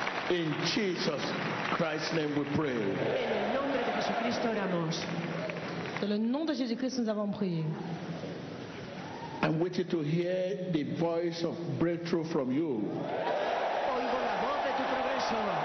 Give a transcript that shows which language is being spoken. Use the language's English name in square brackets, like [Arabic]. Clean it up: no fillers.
[English] In Jesus Christ's name we pray. [Spanish] En el nombre de Jesucristo oramos. [French] Dans le nom de Jésus-Christ nous avons prié. [English] I'm waiting to hear the voice of breakthrough from you. [Spanish] Oigo la voz de tu progreso.